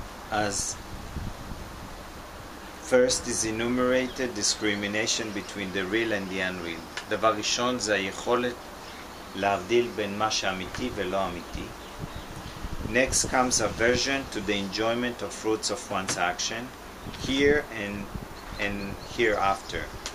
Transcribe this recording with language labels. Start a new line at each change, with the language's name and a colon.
English: אז first is enumerated discrimination between the real and the unreal.
Hebrew: דבר ראשון זה היכולת להבדיל בין מה שאמיתי ולא אמיתי.
English: Next comes aversion to the enjoyment of fruits of one's action here and hereafter.